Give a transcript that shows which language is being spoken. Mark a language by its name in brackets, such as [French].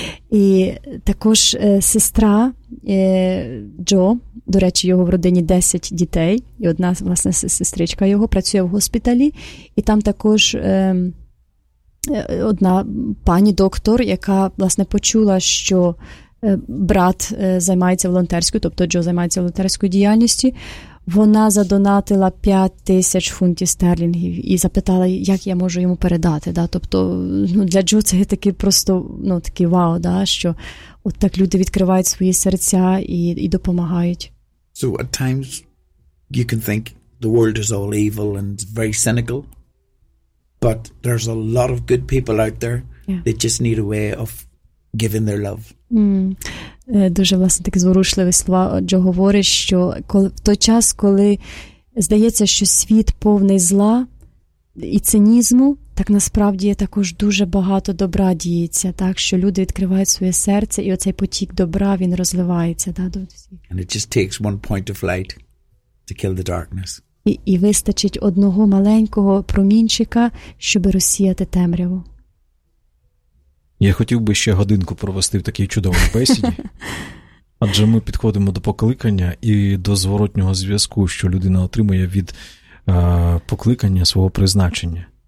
[Ukrainian] І також сестра Джо, до речі, його в родині 10 дітей, і одна, власне, сестричка його працює в госпіталі, і там також одна пані доктор, яка, власне, почула, що брат займається волонтерською, тобто Джо займається волонтерською діяльністю, вона задонатила 5000 фунтів стерлінгів і запитала, як я можу йому передати. Да? Тобто, ну, для Джо це такий просто, ну, такий вау, да? Що от так люди відкривають свої серця і допомагають. [English] So at times you can think the world is all evil and very cynical, but there's a lot of good people out there that just need a way of giving their love. [Ukrainian] Дуже, власне, такі зворушливі слова Джо говорить, що в той час, коли здається, що світ повний зла і цинізму, так насправді також дуже багато добра діється, так, що люди відкривають своє серце, і оцей потік добра, він розливається. Да, до всіх. [English] And it just takes one point of light to kill the darkness. [Ukrainian] І вистачить одного маленького промінчика, щоб розсіяти темряву. Я хотів би ще годинку провести в такій чудовій бесіді, адже ми підходимо до покликання і до зворотнього зв'язку, що людина отримує від покликання свого призначення.